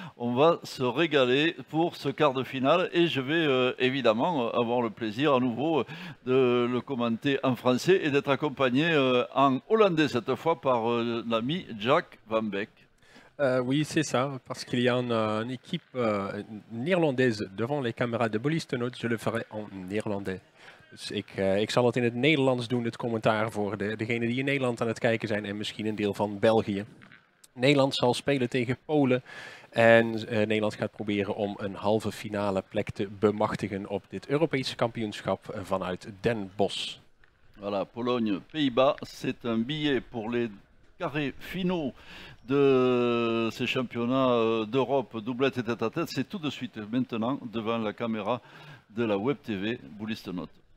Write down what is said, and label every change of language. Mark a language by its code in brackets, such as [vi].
[fr] On va se régaler pour ce quart de finale et je vais évidemment avoir le plaisir à nouveau de le commenter en français et d'être accompagné en hollandais cette fois par l'ami Jack Van Beek. Oui, c'est ça, parce qu'il y a une équipe néerlandaise devant les caméras de Bolistenot. Je le ferai en néerlandais. [nl] Dus ik zal het in het Nederlands doen, het commentaar voor degenen die in Nederland aan het kijken zijn en misschien een deel van België. Nederland zal spelen tegen Polen en Nederland gaat proberen om een halve finale plek te bemachtigen op dit Europese kampioenschap vanuit Den Bosch. [fr] Voilà, Pologne, Pays-Bas, c'est un billet pour les carrés finaux de ces championnats d'Europe, doublette et tête à tête. C'est tout de suite maintenant devant la caméra de la Web TV Bolistenot.